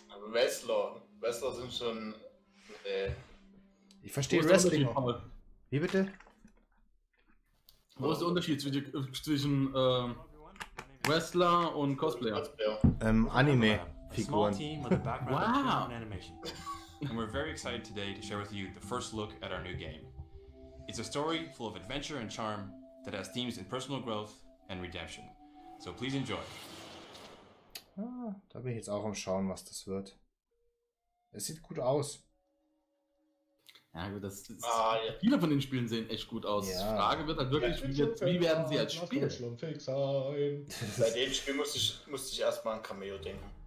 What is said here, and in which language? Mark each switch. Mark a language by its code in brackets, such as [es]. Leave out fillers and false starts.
[de] Wrestler. Wrestler sind schon. Ich verstehe Wrestling. Wie bitte? Wo ist der Unterschied zwischen Wrestler und Cosplayer? Anime-Figuren. Wow! [en] And we're very excited today to share with you the first look at our new game. It's a story full of adventure and charm that has themes in personal growth and redemption. So please enjoy. [de] Ah, da bin ich jetzt auch am Schauen, was das wird. Es sieht gut aus. Ja, gut, das ist. Viele von den Spielen sehen echt gut aus. Ja. Die Frage wird dann wirklich, wie werden sie als Spiel? Bei dem Spiel musste ich erstmal an Cameo denken.